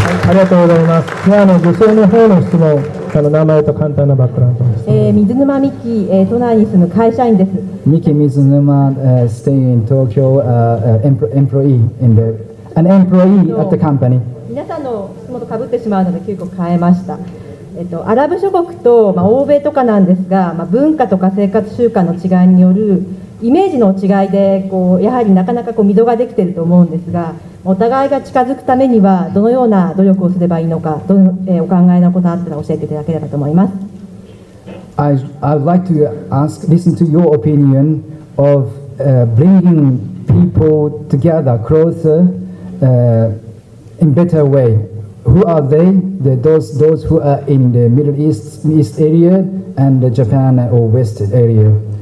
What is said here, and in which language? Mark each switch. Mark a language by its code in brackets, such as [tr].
[ja] ありがとうございます。今日の女性の方の質問、あの名前と簡単なバックグラウンドです。 [en] Mizunuma Miki, Tokyo in Tokyo, Miki Mizunuma stay in Tokyo, employee in the an employee at the company. [ja] アラブ諸国と、まあ、欧米とかなんですが、まあ、文化とか生活習慣の違いによるイメージの違いでこうやはりなかなかこう溝ができていると思うんですが、お互いが近づくためにはどのような努力をすればいいのか、どの、お考えのことがあったら教えていただければと思います。 [en] I would like to ask, listen to your opinion of、bringing people together closer、in better way. Who are they? Those who are in the Middle East area and the Japan or West area.